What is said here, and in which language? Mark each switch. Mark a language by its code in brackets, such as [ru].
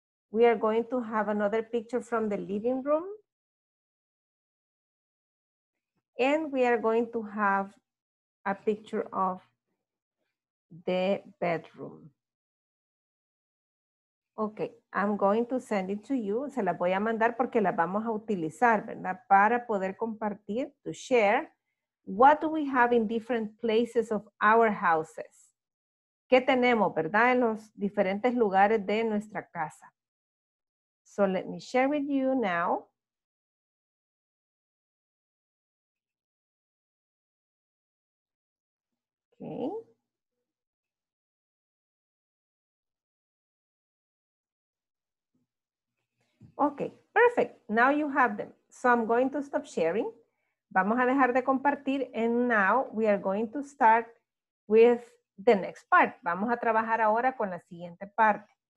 [en] We are going to have another picture from the living room. And we are going to have a picture of the bedroom. Okay, I'm going to send it to you. [es] Se las voy a mandar porque las vamos a utilizar, ¿verdad? Para poder compartir, [en] to share. What do we have in different places of our houses? [es] ¿Qué tenemos, verdad? En los diferentes lugares de nuestra casa. [en] So let me share with you now. Okay. Okay, perfect. Now you have them. So I'm going to stop sharing. [es] Vamos a dejar de compartir. [en] And now we are going to start with the next part. [es] Vamos a trabajar ahora con la siguiente parte.